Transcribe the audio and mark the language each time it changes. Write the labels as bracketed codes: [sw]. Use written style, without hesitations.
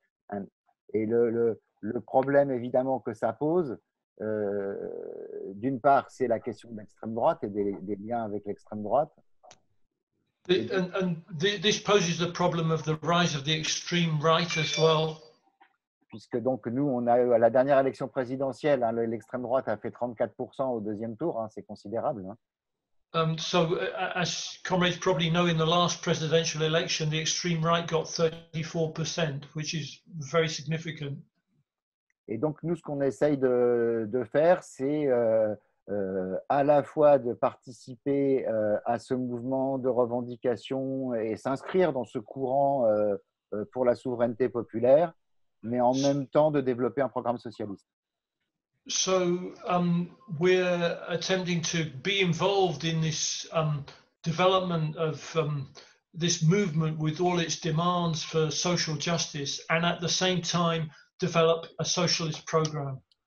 [fr] And le problème évidemment que ça pose, d'une part, c'est la question de l'extrême droite et des liens avec l'extrême droite. [en] This poses the problem of the rise of the extreme right as well. [fr] Puisque donc nous, on a eu à la dernière élection présidentielle, hein, l'extrême droite a fait 34% au deuxième tour, hein, c'est considérable. [en] So, as comrades probably know, in the last presidential election, the extreme right got 34%, which is very significant. [fr] Et donc nous, ce qu'on essaye de faire, c'est à la fois de participer à ce mouvement de revendication et s'inscrire dans ce courant pour la souveraineté populaire, mais en même temps de développer un programme socialiste. [en] So we're attempting to be involved in this development of this movement with all its demands for social justice, and at the same time develop a socialist program.